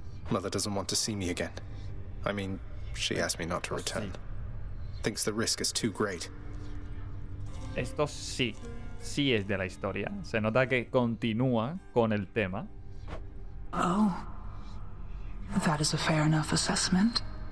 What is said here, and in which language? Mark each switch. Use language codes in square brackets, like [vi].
[en] Mother doesn't want to see me again. I mean, she asked me not to return. Thinks the risk is too great. [es] Esto sí, sí es de la historia. Se nota que continúa con el tema. [en] Oh, that is a fair enough assessment.